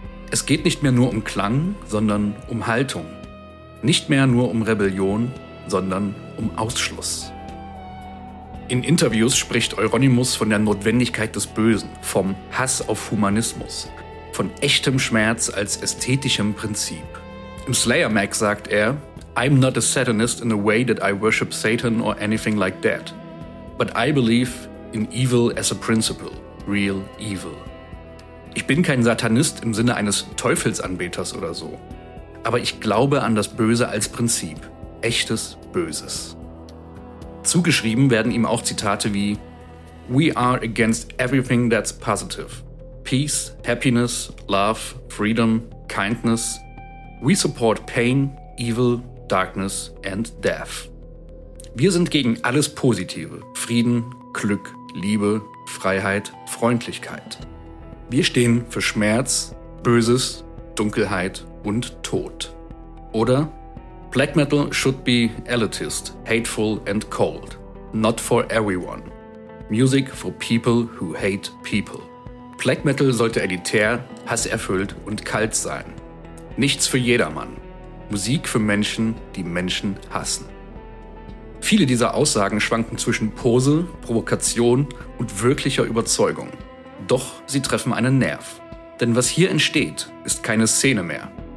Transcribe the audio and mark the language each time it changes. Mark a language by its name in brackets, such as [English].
[German] Es geht nicht mehr nur um Klang, sondern um Haltung. Nicht mehr nur um Rebellion, sondern um Ausschluss. In Interviews spricht Euronymous von der Notwendigkeit des Bösen, vom Hass auf Humanismus, von echtem Schmerz als ästhetischem Prinzip. Im Slayer Mag sagt er, [English] I'm not a Satanist in a way that I worship Satan or anything like that, but I believe in evil as a principle, real evil. [German] Ich bin kein Satanist im Sinne eines Teufelsanbeters oder so, aber ich glaube an das Böse als Prinzip, echtes Böses. Zugeschrieben werden ihm auch Zitate wie [English] We are against everything that's positive. Peace, happiness, love, freedom, kindness. We support pain, evil, darkness and death. [German] Wir sind gegen alles Positive. Frieden, Glück, Liebe, Freiheit, Freundlichkeit. Wir stehen für Schmerz, Böses, Dunkelheit und Tod. Oder [English] Black Metal should be elitist, hateful and cold. Not for everyone. Music for people who hate people. [German] Black Metal sollte elitär, hasserfüllt und kalt sein. Nichts für jedermann. Musik für Menschen, die Menschen hassen. Viele dieser Aussagen schwanken zwischen Pose, Provokation und wirklicher Überzeugung. Doch sie treffen einen Nerv. Denn was hier entsteht, ist keine Szene mehr.